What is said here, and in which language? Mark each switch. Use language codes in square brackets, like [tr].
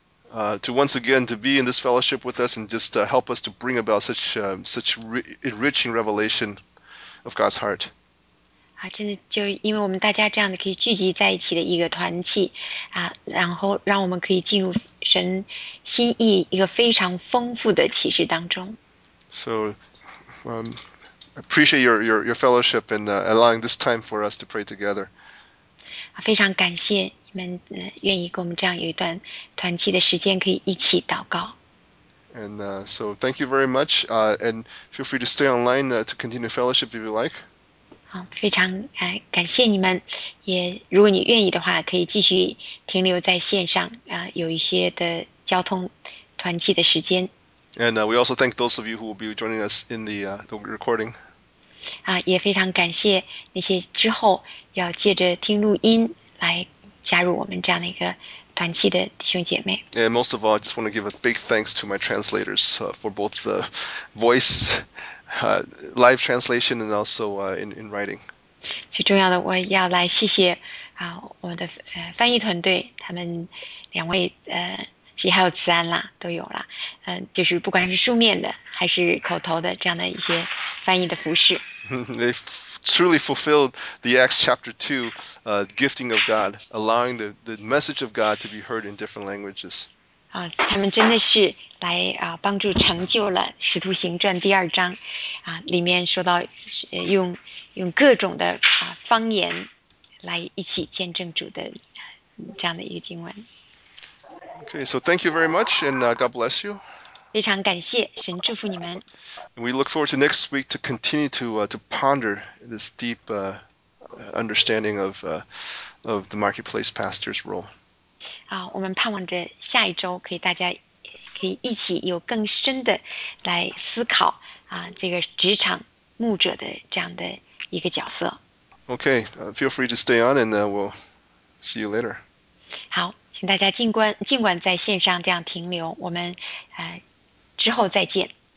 [en] To once again to be in this fellowship with us and just help us to bring about such enriching revelation of God's heart. [zh] 真的就因为我们大家这样的可以聚集在一起的一个团契然后让我们可以进入神心意一个非常丰富的启示当中。 [en] So, appreciate your fellowship and allowing this time for us to pray together. [zh] 非常感谢。你们愿意跟我们这样有一段团契的时间，可以一起祷告。 [en] And so thank you very much. And feel free to stay online to continue fellowship if you like. [zh] 好，非常感谢你们。也如果你愿意的话，可以继续停留在线上有一些的交通团契的时间。 [en] And we also thank those of you who will be joining us in the recording. [zh] 也非常感谢那些之后要借着听录音来。加入我们这样的一个团契的弟兄姐妹。感谢的弟兄姐妹。 [en] And most of all, I just want to give a big thanks to my translators for both the voice live translation and also in writing. [zh] 最重要的，我要来谢谢啊，我的翻译团队，他们两位其实还有慈安啦，都有啦，就是不管是书面的还是口头的这样的一些翻译的服事。 [en] They truly fulfilled the Acts chapter 2, gifting of God, allowing the message of God to be heard in different languages. [zh] 他们真的是来帮助成就了《使徒行传》第二章，里面说到用各种的方言来一起见证主的这样的一个经文。 [en] Okay, so thank you very much, and God bless you. [zh] 非常感谢，神祝福你们。 [en] We look forward to next week to continue to ponder this deep understanding of the marketplace pastor's role. [zh] 我们盼望着下一周可以大家可以一起有更深的来思考这个职场牧者的这样的一个角色。 [en] Okay, feel free to stay on, and we'll see you later. [zh] 好。请大家尽管在线上这样停留，我们之后再见。